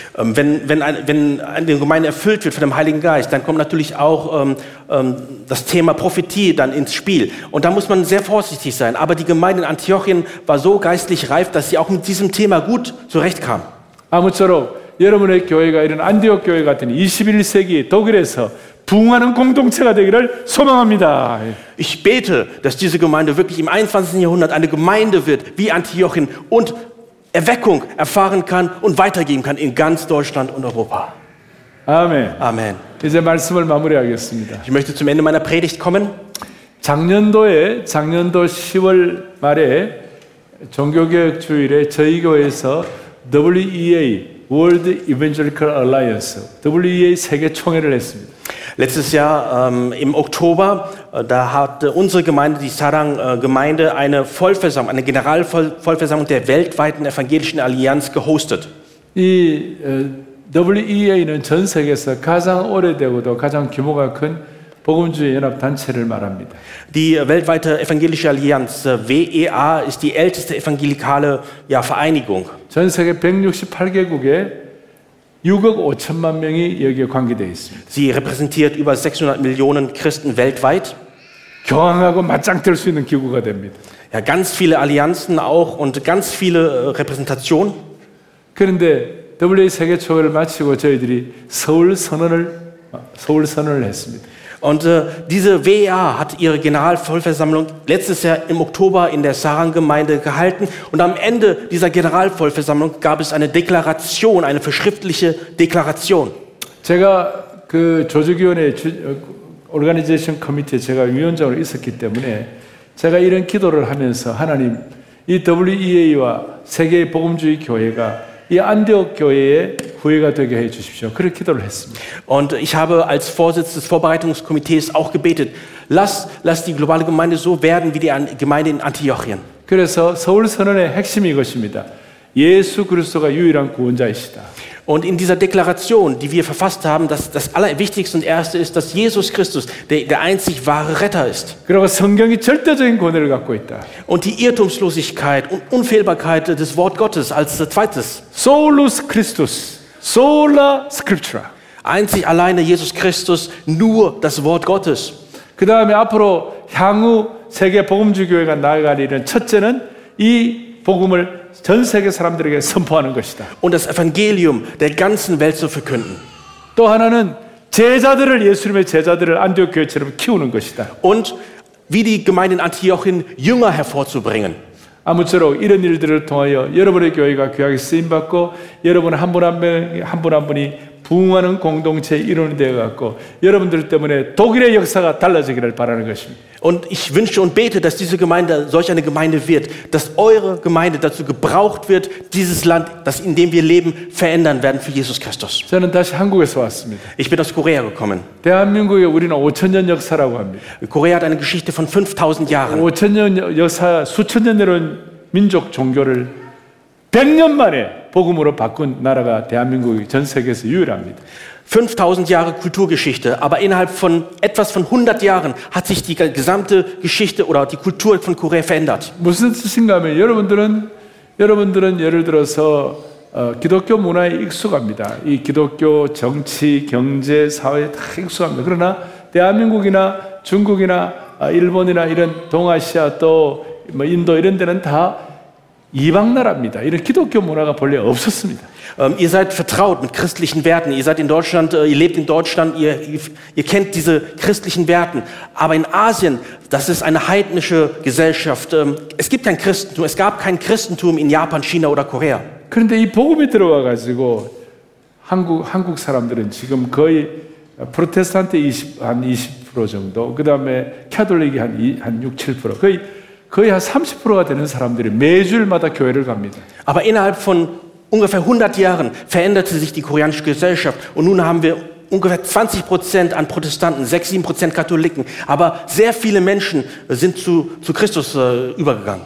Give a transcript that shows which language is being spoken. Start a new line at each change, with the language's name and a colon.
German: Wenn eine Gemeinde erfüllt wird von dem Heiligen Geist, dann kommt natürlich auch das Thema Prophetie dann ins Spiel. Und da muss man sehr vorsichtig sein. Aber die Gemeinde in Antiochien war so geistlich reif, dass sie auch mit diesem Thema gut zurechtkam.
Korean: 아무쪼록 여러분의 교회가 이런 안디옥 교회 같은 21세기 독일에서 부흥하는 공동체가 되기를 소망합니다.
German: Ich bete, dass diese Gemeinde wirklich im 21. Jahrhundert eine Gemeinde wird wie Antiochien und Erweckung erfahren kann und weitergeben kann in ganz Deutschland und Europa. Amen. Amen.
Korean: 이제 말씀을 마무리하겠습니다.
German: Ich möchte zum Ende meiner Predigt kommen.
Korean: 작년도 10월 말에 종교개혁 주일에 저희 교회에서 WEA World Evangelical Alliance, WEA 세계 총회를 했습니다.
German: Letztes Jahr im Oktober, da hat unsere Gemeinde, die Sarang-Gemeinde, eine Vollversammlung, eine Generalvollversammlung der weltweiten evangelischen Allianz gehostet. 이
Korean: WEA는 전 세계에서 가장 오래되고도 가장 규모가 큰 복음주의 연합 단체를 말합니다.
German: Die weltweite evangelische Allianz WEA ist die älteste evangelikale Vereinigung.
Korean: 전 세계 168개국에 6억 5천만 명이 여기에 관계되어 있습니다.
German: Sie repräsentiert über 600 Millionen Christen weltweit.
Korean: 경황하고 맞짱 뜰 수 있는 기구가 됩니다.
German: Ja, ganz viele Allianzen auch und ganz viele Repräsentation.
Korean: 그런데 WEA 세계 총회를 마치고 저희들이 서울 선언을 했습니다.
German: Und diese WEA hat ihre Generalvollversammlung letztes Jahr im Oktober in der Sarang-Gemeinde gehalten. Und am Ende dieser Generalvollversammlung gab es eine Deklaration, eine verschriftliche Deklaration.
Korean: 제가 그 조직위원회 Organization Committee 제가 위원장으로 있었기 때문에 제가 이런 기도를 하면서 하나님 이 WEA와 세계 복음주의 교회가 이 안디옥 교회에 후회가 되게 해 주십시오. 그렇게 기도를 했습니다.
German: Und ich habe als Vorsitz des Vorbereitungskomitees auch gebetet. Lass die globale Gemeinde so werden wie die Gemeinde in Antiochien.
Korean: 그래서 서울 선언의 핵심이 이것입니다. 예수 그리스도가 유일한 구원자이시다.
German: Und in dieser Deklaration, die wir verfasst haben, dass das Allerwichtigste und Erste ist, dass Jesus Christus der einzig wahre Retter ist.
Korean: 그리고 성경이 절대적인 권위를 갖고 있다.
German: Und die Irrtumslosigkeit und Unfehlbarkeit des Wort Gottes als Zweites.
Latin: Solus Christus, sola scriptura.
German: Einzig alleine Jesus Christus, nur das Wort Gottes.
Korean: 그 다음에 앞으로 향후 세계 복음주교회가 나아갈 일은 첫째는 이 복음을 전 세계 사람들에게 선포하는 것이다.
German: Und das Evangelium der ganzen Welt zu verkünden.
Korean: 또 하나는 제자들을 예수님의 제자들을 안디옥 교회처럼 키우는 것이다.
German: Und wie die Gemeinde in Antiochien Jünger hervorzubringen.
Korean: 아무쪼록 이런 일들을 통하여 여러분의 교회가 귀하게 쓰임 받고 여러분 한 분 한 분이 부흥하는 공동체 이론이 되어 갖고 여러분들 때문에 독일의 역사가 달라지기를 바라는 것입니다.
German: Und ich wünsche und bete, dass diese Gemeinde solch eine Gemeinde wird, dass eure Gemeinde dazu gebraucht wird, dieses Land, das in dem wir leben, verändern werden für Jesus Christus.
Korean: 저는 다시 한국에서 왔습니다.
German: Ich bin aus Korea gekommen.
Korean: 대한민국에 우리는 5천 년 역사라고 합니다.
German: Korea hat eine Geschichte von 5000 Jahren.
Korean: 5천 년 역사, 수천 년 내려온 민족 종교를 100년 만에 복음으로 바꾼 나라가 대한민국이 전 세계에서 유일합니다.
German: 5000 Jahre Kulturgeschichte, aber innerhalb von etwas von 100 Jahren hat sich die gesamte Geschichte oder die Kultur von Korea verändert.
Korean: 무슨 뜻인가 하면 여러분들은 예를 들어서 기독교 문화에 익숙합니다. 이 기독교 정치, 경제, 사회에 다 익숙합니다. 그러나 대한민국이나 중국이나 일본이나 이런 동아시아 또 뭐 인도 이런 데는 다 이방 나라입니다. 이런 기독교 문화가 본래 없었습니다.
German: Ihr seid vertraut mit christlichen Werten. Ihr seid in Deutschland, ihr lebt in Deutschland, ihr kennt diese christlichen Werten. Aber in Asien, das ist eine heidnische Gesellschaft. Es gibt kein Christentum. Es gab kein Christentum in Japan, China oder Korea.
Korean: 그런데 이 복음이 들어와 가지고 한국 사람들은 지금 거의 프로테스탄트 20% 정도, 그다음에 가톨릭이 한 6, 7%. 거의 한 30%가 되는 사람들이 매주일마다 교회를 갑니다.
German: Aber innerhalb von ungefähr 100 Jahren veränderte sich die koreanische Gesellschaft und nun haben wir ungefähr 20% an Protestanten, 6-7% Katholiken, aber sehr viele Menschen sind zu Christus übergegangen.